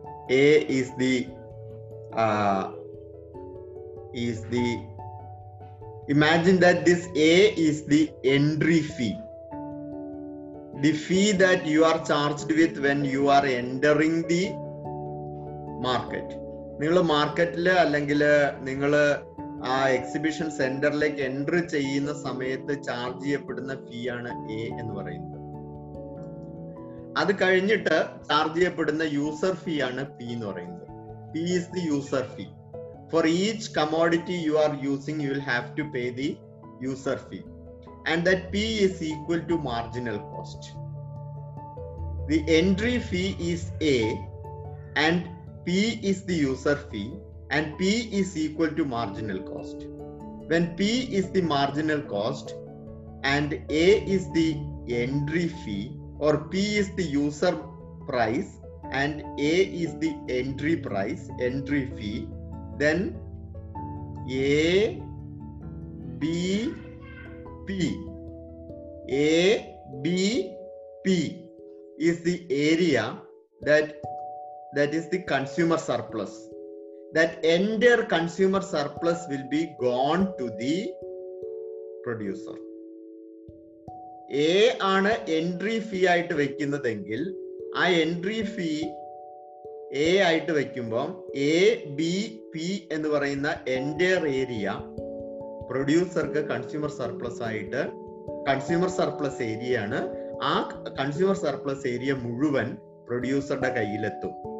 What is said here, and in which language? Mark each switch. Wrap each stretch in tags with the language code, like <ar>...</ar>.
<en>A is the imagine that this A is the entry fee, the fee that you are charged with when you are entering the market.</en> <ml>നിങ്ങളെ മാർക്കറ്റില് അല്ലെങ്കിൽ നിങ്ങള് ആ exhibition സെന്ററിലേക്ക് entry ചെയ്യുന്ന സമയത്ത് charge ചെയ്യപ്പെടുന്ന ഫീ ആണ് എ എന്ന് പറയുന്നത്. അത് കഴിഞ്ഞിട്ട് ചാർജ് ചെയ്യപ്പെടുന്ന യൂസർ ഫീ ആണ് പി എന്ന് പറയുന്നത്.</ml> <en>P is the user fee for each commodity you are using. You will have to pay the user fee and that P is equal to marginal cost. The entry fee is A and P is the user fee and P is equal to marginal cost.</en> <ml>When P is the marginal cost and A is the entry fee,</ml> <en>or P is the user price and A is the entry price, entry fee, then A, B, P. A, B, P is the area that is the consumer surplus. That entire consumer surplus will be gone to the producer.</en> <ml>A ആണ് entry fee ആയിട്ട് വെക്കുന്നതെങ്കിൽ ആ entry fee A ആയിട്ട് വെക്കുമ്പോൾ A B P എന്ന് പറയുന്ന എൻ്റെ area പ്രൊഡ്യൂസർക്ക് consumer surplus ആയിട്ട്, consumer surplus ഏരിയയാണ്, ആ കൺസ്യൂമർ സർപ്ലസ് ഏരിയ മുഴുവൻ പ്രൊഡ്യൂസറുടെ കയ്യിലെത്തും.</ml>